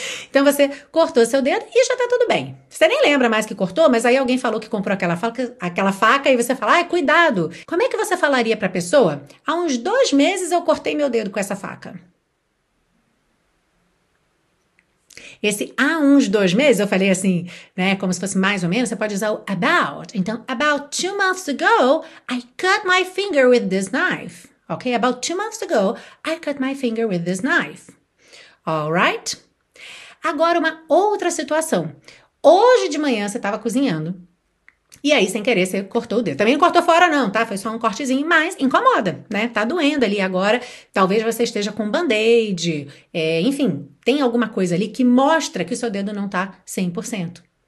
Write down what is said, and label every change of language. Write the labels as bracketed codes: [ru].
[pt] Então você cortou seu dedo e já tá tudo bem. Você nem lembra mais que cortou, mas aí alguém falou que comprou aquela faca e você fala: ai, cuidado! Como é que você falaria para a pessoa: há uns 2 meses eu cortei meu dedo com essa faca? Esse há uns 2 meses, eu falei assim, né? Como se fosse mais ou menos, você pode usar o about. [en] Então, about 2 months ago, I cut my finger with this knife. Ok? About 2 months ago, I cut my finger with this knife. All right? [pt] Agora, uma outra situação. Hoje de manhã você estava cozinhando e aí, sem querer, você cortou o dedo. Também não cortou fora, não, tá? Foi só um cortezinho, mas incomoda, né? Tá doendo ali agora. Talvez você esteja com band-aid, enfim, tem alguma coisa ali que mostra que o seu dedo não tá 100%.